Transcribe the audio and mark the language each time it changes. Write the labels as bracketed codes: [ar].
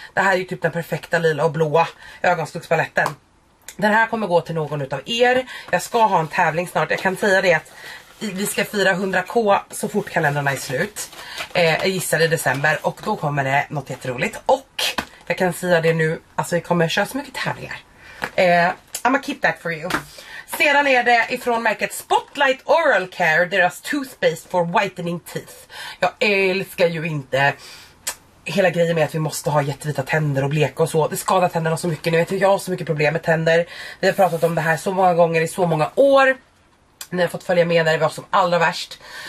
[sv] Det här är ju typ den perfekta lila och blåa ögonskuggspaletten. Den här kommer gå till någon av er. Jag ska ha en tävling snart. Jag kan säga det att vi ska fira 100k så fort kalendrarna är slut. Jag gissar i december. Och då kommer det något jätteroligt. Och jag kan säga det nu. Alltså vi kommer köra så mycket tävlingar. [en] I'm gonna keep that for you. [sv] Sedan är det ifrån märket Spotlight Oral Care. Deras toothpaste for whitening teeth. Jag älskar ju inte hela grejen med att vi måste ha jättevita tänder och bleka och så. Det skadar tänderna så mycket. Nu vet jag har så mycket problem med tänder. Vi har pratat om det här så många gånger i så många år. Ni har fått följa med när det var som allra värst.